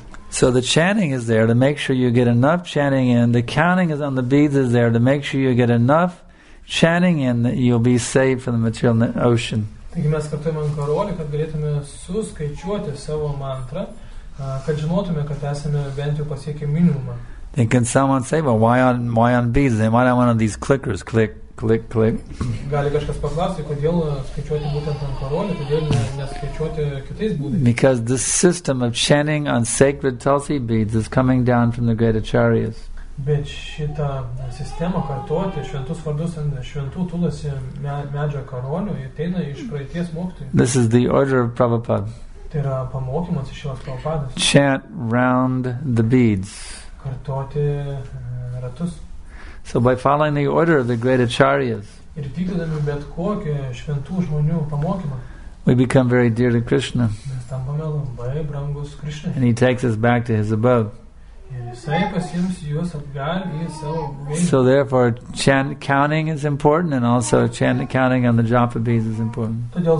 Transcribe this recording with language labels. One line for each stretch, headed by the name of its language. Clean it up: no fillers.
English: So the chanting is there to make sure you get enough chanting in. The counting is on the beads is there to make sure you get enough chanting in that you'll be saved from the material ocean.
Lithuanian: Taigi mes kartuojame ant karolį, kad galėtume suskaičiuoti savo mantrą, kad žinotume, kad esame bent jau pasiekę minimumą.
English: Then can someone say, well, why on beads? They might have one of these clickers, click, click, click.
Lithuanian: Gali kažkas paklausti, kodėl skaičiuoti būtent ant karolį, kodėl neskaičiuoti kitais būdais.
English: Because the system of chanting on sacred tulsi beads is coming down from the great acharyas.
Lithuanian: Bet šitą sistemą kartuoti šventus vardus ant šventų tulasi medžio karolių, jie teina iš praeities mokytojų.
English: This is the order of Prabhupada.
Lithuanian: Tai yra pamokymas iš šios Prabhupados.
English: Chant round the beads.
Lithuanian: Kartuoti ratus.
English: So by following the order of the great acharyas,
Lithuanian: ir vykdami bet kokį šventų žmonių pamokymą,
English: we become very dear to Krishna.
Lithuanian: Mes tampame labai brangus Krishna.
English: And he takes us back to his abode. So therefore, chant counting is important, and also chant counting on the japa beads is important.